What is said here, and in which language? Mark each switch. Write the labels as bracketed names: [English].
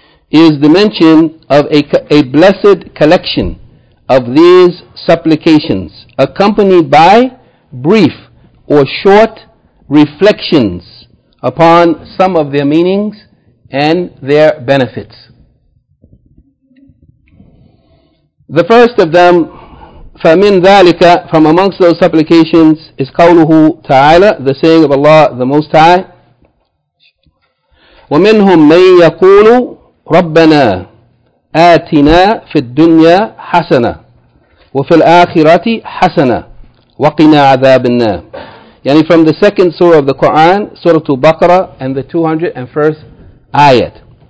[English] is the mention of a blessed collection of these supplications, accompanied by brief or short reflections upon some of their meanings and their benefits. The first of them, [Arabic] فَمِنْ ذَٰلِكَ, [English] from amongst those supplications, is [Arabic] قَوْلُهُ تَعَالَى, [English] the saying of Allah the Most High, [Arabic] وَمِنْهُمْ مَنْ يَقُولُ رَبَّنَا آتِنَا فِي الدُّنْيَا حَسَنَةً وَفِي الْآخِرَةِ حَسَنَةً وَقِنَا عَذَابَ النَّارِ. [English] Yani from the second surah of the Quran, Surah Al-Baqarah, and the 201st ayat.